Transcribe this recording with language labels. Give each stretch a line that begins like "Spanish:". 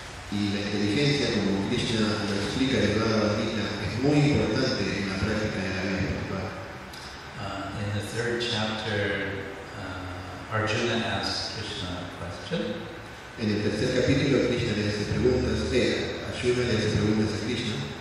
Spanish: y la inteligencia, como Krishna lo explica en Bhagavad Gita, es muy importante en la práctica de la vida espiritual.
English: In the third chapter, Arjuna asks Krishna a question.
Spanish: En el tercer capítulo, Krishna le hace preguntas, Arjuna le hace preguntas a Krishna.